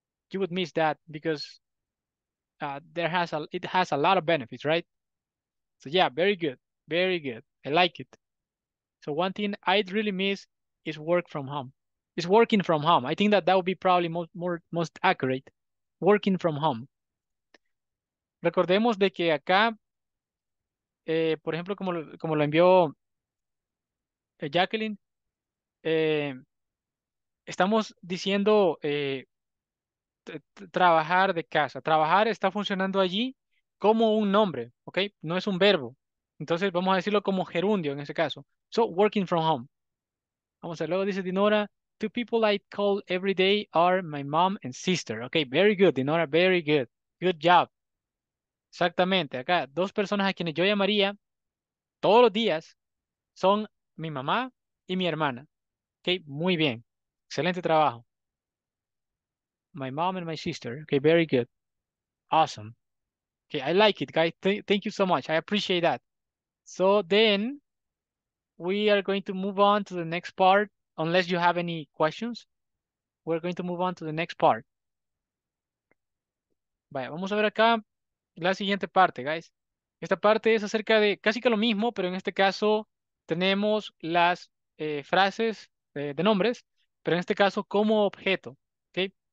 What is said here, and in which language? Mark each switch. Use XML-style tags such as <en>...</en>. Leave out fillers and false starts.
<en>You would miss that because it has a lot of benefits, right? So yeah, very good. Very good. I like it. So one thing I'd really miss is work from home. It's working from home. I think that would be probably most accurate. Working from home.</en> <es>Recordemos de que acá, por ejemplo, como lo envió Jacqueline, estamos diciendo trabajar de casa. Trabajar está funcionando allí como un nombre, ¿ok? No es un verbo. Entonces vamos a decirlo como gerundio en ese caso.</es> <en>So, working from home.</en> <es>Vamos a ver, luego dice</es> <en>Dinora, two people I call every day are my mom and sister. Ok, very good, Dinora, very good. Good job.</en> <es>Exactamente, acá dos personas a quienes yo llamaría todos los días son mi mamá y mi hermana. Ok, muy bien. Excelente trabajo.</es> <en>My mom and my sister. Ok, very good. Awesome. Ok, I like it, guys. Thank you so much. I appreciate that. So then, we are going to move on to the next part. Unless you have any questions, we're going to move on to the next part.</en> <es>Vaya, vamos a ver acá la siguiente parte, guys. Esta parte es acerca de casi que lo mismo, pero en este caso tenemos las frases de nombres, pero en este caso como objeto, ¿okay?</es>